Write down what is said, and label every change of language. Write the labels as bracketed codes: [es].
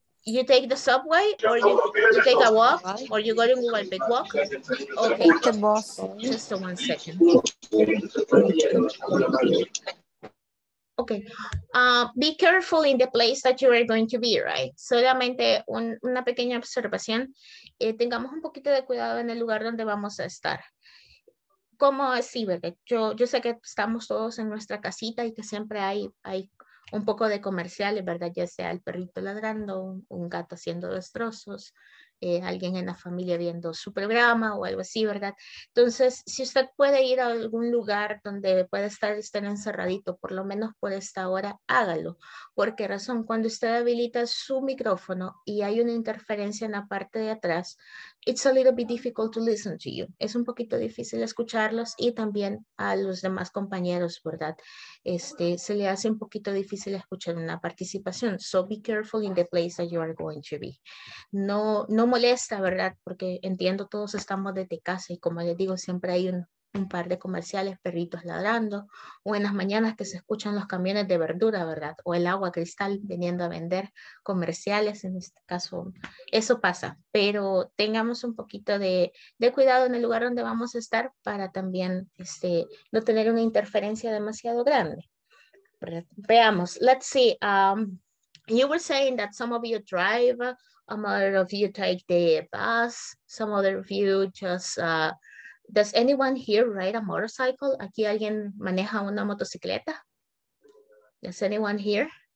[en] You take the subway or you take a walk or you go to a big walk? Okay. The bus. Just one second. Okay, be careful in the place that you are going to be, right? [es] Solamente una pequeña observación. Tengamos un poquito de cuidado en el lugar donde vamos a estar. ¿Cómo así, bebé? Yo sé que estamos todos en nuestra casita y que siempre hay un poco de comerciales, ¿verdad? Ya sea el perrito ladrando, un gato haciendo destrozos, alguien en la familia viendo su programa o algo así, ¿verdad? Entonces, si usted puede ir a algún lugar donde puede estar encerradito, por lo menos por esta hora, hágalo. ¿Por qué razón? Cuando usted habilita su micrófono y hay una interferencia en la parte de atrás, [en] it's a little bit difficult to listen to you. [es] Es un poquito difícil escucharlos y también a los demás compañeros, ¿verdad? Se le hace un poquito difícil escuchar una participación. [en] So be careful in the place that you are going to be. [es] No molesta, ¿verdad? Porque entiendo todos estamos desde casa y como les digo, siempre hay un, un par de comerciales, perritos ladrando, o en las mañanas que se escuchan los camiones de verdura, ¿verdad? O el agua cristal viniendo a vender comerciales, en este caso, eso pasa. Pero tengamos un poquito de cuidado en el lugar donde vamos a estar para también no tener una interferencia demasiado grande. Veamos, [en] let's see, you were saying that some of you drive, some other of you take the bus, some other of you just, does anyone here ride a motorcycle? [es] ¿Aquí alguien maneja una motocicleta? [en] Does anyone here?